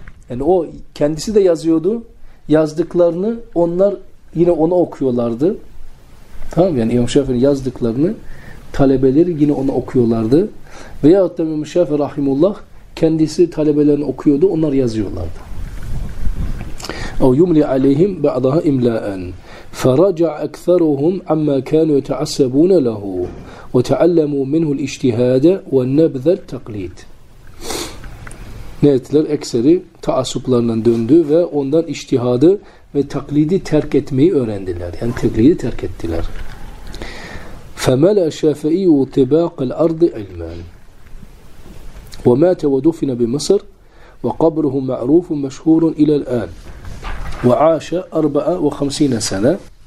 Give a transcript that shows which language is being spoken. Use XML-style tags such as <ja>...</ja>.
<tr>Yani o kendisi de yazıyordu. Yazdıklarını onlar yine ona okuyorlardı. Tamam, yani İmam Şafii'nin yazdıklarını talebeleri yine ona okuyorlardı. Veyahut da İmam Şafii rahimullah kendisi talebelerini okuyordu, onlar yazıyorlardı.</tr> <ar>وَيُمْلِ عَلَيْهِمْ بَعْضَهَا اِمْلَاءً فَرَجَعَ أَكْثَرُهُمْ عَمَّا كَانُوا يَتَعَسَّبُونَ لَهُ وَتَعَلَّمُوا مِنْهُ الْاِجْتِهَادَ وَالنَّبْذَ الْتَقْلِيدِ.</ar> <tr>Ne ettiler? Ekseri taassuplarından döndü ve ondan iştihadı ve taklidi terk etmeyi öğrendiler. Yani taklidi terk ettiler.</tr> <ar>فَمَلَا شَافَئِيُّ تِبَاقَ الْاَرْضِ عِلْمًا وَمَاتَ وَدُفِنَ بِمِصْرِ وَقَبْرُهُ مَعْرُوفٌ مَشْهُورٌ إِلَى الْآنِ وعاش 54 سنة</ar>